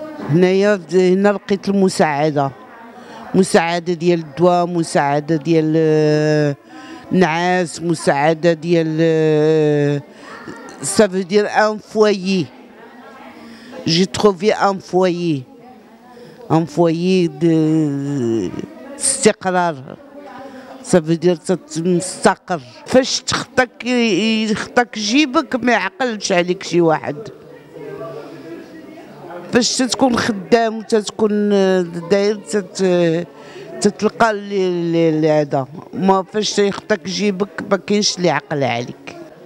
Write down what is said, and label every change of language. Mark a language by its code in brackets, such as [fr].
[ar] هنايا هنا لقيت المساعده، مساعده ديال الدواء، مساعده ديال النعاس، مساعده ديال [fr] ça veut dire un foyer. [ar] J'ai trouvé un foyer. [fr] Un foyer de استقرار. ça veut dire مستقر. [ar] فاش تخطاك يخطاك جيبك ما يعقلش عليك شي واحد. فاش تكون خدام وتتكون داير تتلقى اللي هذا. ما فاش يخطاك جيبك ما كاينش اللي عقل عليك.